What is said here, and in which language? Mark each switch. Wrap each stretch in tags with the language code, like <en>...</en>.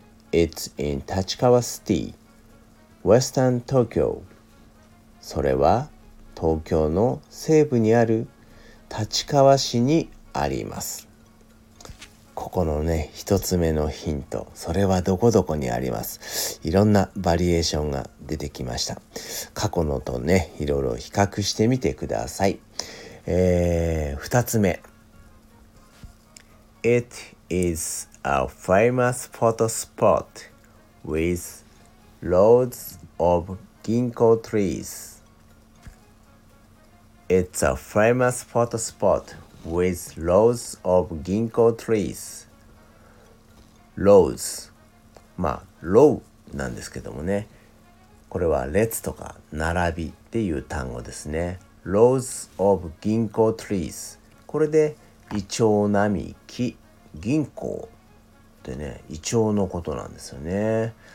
<en>It's in Tachikawa City, Western Tokyo.</en> <ja>それは東京の西部にある立川市にあります。ここのね、一つ目のヒント、それはどこどこにあります。いろんなバリエーションが出てきました。過去のとね、いろいろ比較してみてください。 2つ目、</ja> <en>It is a famous photo spot with loads of ginkgo treesIt's a famous photo spot with rows of ginkgo trees. Rows.</en> <ja>まあ、row なんですけどもね。これは列とか並びっていう単語ですね。</ja> <en>Rows of ginkgo trees.</en> <ja>これでイチョウ並木、銀行ってね、イチョウのことなんですよね。</ja>